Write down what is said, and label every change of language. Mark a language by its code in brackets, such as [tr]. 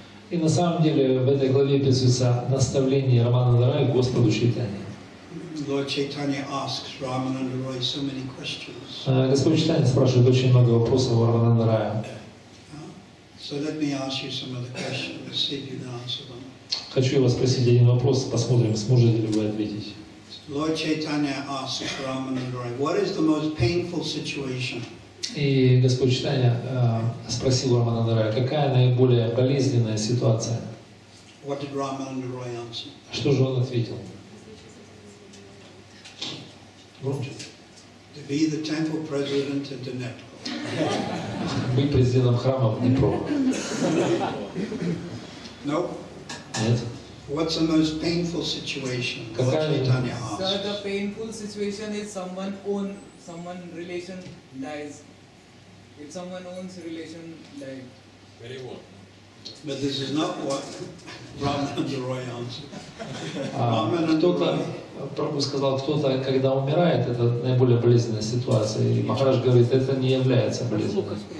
[ru] И на самом деле в этой главе описывается наставление Рамананда Роя Господу Чайтанье. [en] Lord Chaitanya asks Ramananda Roy so many questions. [ru] Господь Чайтанья спрашивает очень много вопросов у Рамананда Роя. [en] So let me ask you some of the questions. Let's see if you can answer them. [ru] Хочу я вас спросить один вопрос, посмотрим, сможете ли вы ответить. [en] Lord Chaitanya asks Ramananda Roy, what is the most painful situation? [ru] И Господь Чайтанья спросил Рамананда Роя, какая наиболее болезненная ситуация? [en] What did Ramananda Roy answer? [ru] Что же он ответил? [en] To be the temple president in Dnepr. [ru] Быть президентом храма в Днепро. [en] No. [ru] Нет. [en] What's the most painful situation? [ru] Какая [en] Lord Chaitanya asks? The painful situation is someone relation dies. If someone owns relation like very well. But this is not what Ramananda Roy answered. [ru] Кто-то, Прабху сказал, кто-то, когда умирает, это наиболее болезненная ситуация. И Махараш говорит, это не является болезненной.